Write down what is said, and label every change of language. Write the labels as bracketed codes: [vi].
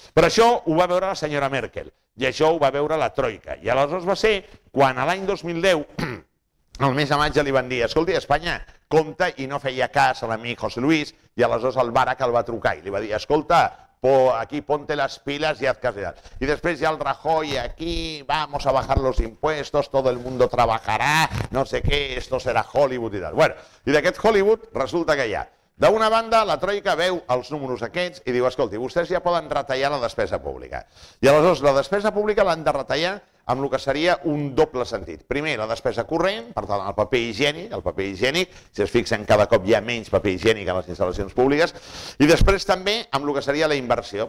[ca] Però això ho va veure la senyora Merkel i això ho va veure la Troika. I aleshores va ser quan a l'any 2010, el mes de maig, li van dir, escolti, Espanya, compte, i no feia cas a l'amic José Luis, i aleshores el Barak el va trucar i li va dir, escolta, aquí ponte las pilas y haz casidad. [es] Y después ya el Rajoy aquí, vamos a bajar los impuestos, todo el mundo trabajará, no sé qué, esto será Hollywood y tal. Bueno, y de aquest Hollywood resulta que ya. [ca] D'una banda, la Troika veu els números aquests i diu, escolti, vostès ja poden retallar la despesa pública. I aleshores, la despesa pública l'han de retallar amb el que seria un doble sentit. Primer, la despesa corrent, per tant, el paper higiènic, si es fixen, cada cop hi ha menys paper higiènic a les instal·lacions públiques, i després també amb el que seria la inversió.